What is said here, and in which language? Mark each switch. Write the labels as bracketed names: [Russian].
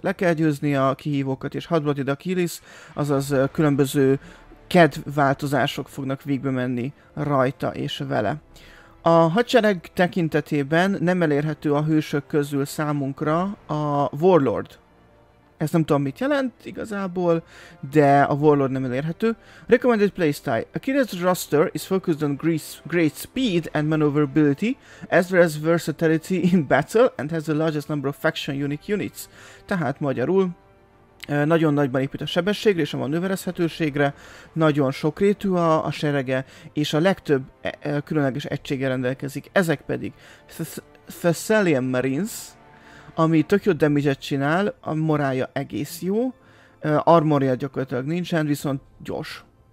[Hungarian] Le kell győzni a kihívókat, és Hot-Blooded Achilles, azaz különböző kedvváltozások fognak végbe menni rajta és vele. A hadsereg tekintetében nem elérhető a hősök közül számunkra a Warlord. Ez nem tudom, mit jelent igazából, de a Warlord nem elérhető. [English] Recommended playstyle. Achilles' roster is focused on great speed and maneuverability, as well as versatility in battle, and has the largest number of faction unique units. [Hungarian] Tehát magyarul, nagyon nagyban épít a sebességre és a manőverezhetőségre, nagyon sokrétű a serege, és a legtöbb különleges egységgel rendelkezik. Ezek pedig Thessalian Marines, ami tök jó damage-et csinál, a morálja egész jó, armorja gyakorlatilag nincsen, viszont gyors.